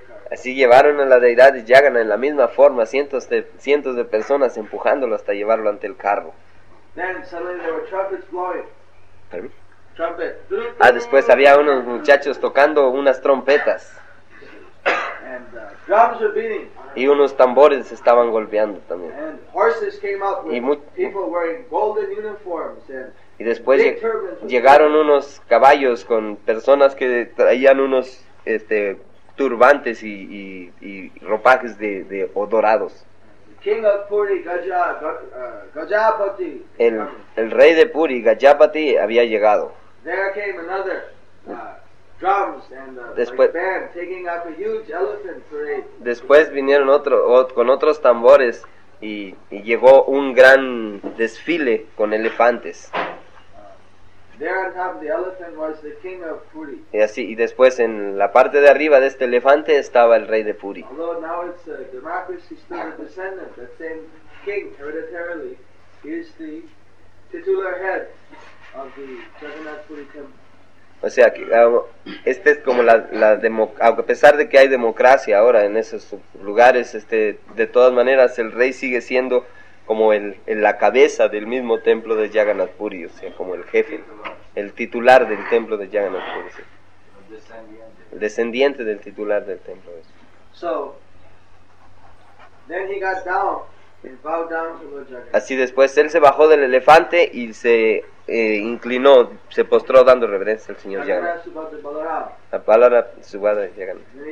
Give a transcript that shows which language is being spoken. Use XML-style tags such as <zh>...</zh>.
<es>Así llevaron a la deidad de Jagannath en la misma forma, cientos de personas empujándolo hasta llevarlo ante el carro.</es> <en>Then suddenly there were trumpets blowing. Trumpet.</en> <es>Ah, después había unos muchachos tocando unas trompetas.</es> <en>And drums were beating.</en> <es>Y unos tambores estaban golpeando también.</es> <en>And horses came out with people wearing golden uniforms and</en> <es>y después llegaron unos caballos con personas que traían unos turbantes y ropajes de o dorados.</es> <en>King of Puri, Gajapati.</en> <es>El rey de Puri, Gajapati, había llegado.</es> <en>There came another drums and después, like band taking up a huge elephant parade.</en> <es>Después vinieron con otros tambores y llegó un gran desfile con elefantes.</es> <en>There on top of the elephant was the king of Puri.</en> <es>Y así, y después en la parte de arriba de este elefante estaba el rey de Puri.</es> <en>Although now it's a democracy, still a descendant, that same king hereditarily is the titular head of the Jagannath Puri temple.</en> <es>O sea, que, este es como la democracia, a pesar de que hay democracia ahora en esos lugares, de todas maneras el rey sigue siendo como en la cabeza del mismo templo de Jagannath Puri, o sea, como el jefe, el titular del templo de Jagannath Puri. Sí. El descendiente del titular del templo. Sí.</es> <en>So, then he got down and bowed down to Lord Jagannath.</en> <es>Así después él se bajó del elefante y se inclinó, se postró dando reverencia al señor Jagannath. La palabra Subhadra de Jagannath.</es>